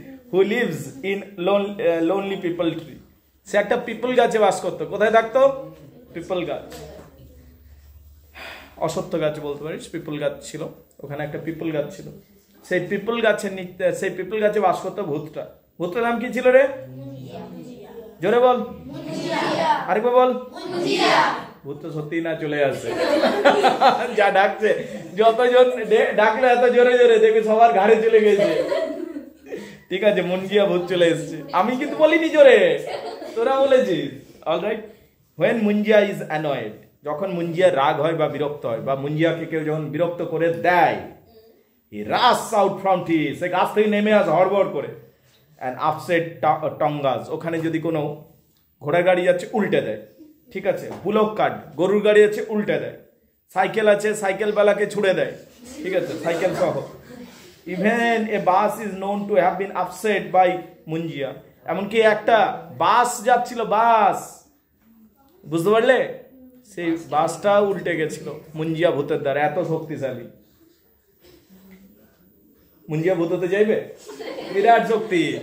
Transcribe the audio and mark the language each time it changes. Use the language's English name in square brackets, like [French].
[English] Who lives in lonely peepul tree? [Bangla] সে একটা people গাছে বাস করতো, কোথায় থাকতো? পিপল গাছ, অসত্য গাছ বলতে পারিস, পিপল গাছ ছিল, ওখানে একটা পিপল গাছ ছিল, সেই পিপল গাছের নিচে, সেই পিপল গাছে বাস করতো ভূতটা। ভূতের নাম কি ছিল রে? মুনজিয়া। জোরে বল মুনজিয়া। আরেকবার বল মুনজিয়া। ভূত তো সত্যি না চলে আসছে, যা ডাকছে, যতজন ডাকলে এত জোরে জোরে দেখবি সবার ঘাড়ে চলে গেছে। ঠিক আছে, মুনজিয়া ভূত চলে এসছে, আমি কিন্তু বলিনি জোরে, তোরা বলেছিস। [English] all right, when Munjiya is annoyed, [Bangla] যখন মুনজিয়া রাগ হয় বা বিরক্ত হয়, বা মুনজিয়াকে কেউ যখন বিরক্ত করে দেয়, [English] rush out from tree, [Bangla] সে গাছ থেকে নেমে আসে হড়বড় করে, [English] and upset tongas, [Bangla] ওখানে যদি কোনো ঘোড়ার গাড়ি যাচ্ছে উল্টে দেয়, ঠিক আছে, বুলক কার্ট, গরুর গাড়ি যাচ্ছে উল্টে দেয়, সাইকেল আছে সাইকেল বালাকে ছুড়ে দেয়, ঠিক আছে, সাইকেল সহ। [English] Even a bus is known to have been upset by Munjia. [Bangla] এমনকি একটা বাস যাচ্ছিল, বাস বুঝতে পারলে, সেই বাসটা উল্টে গেছিল মুনজিয়া ভূতের দ্বারা, এত শক্তিশালী। মুনজিয়া ভূত হতে যাইবে? বিরাট শক্তি।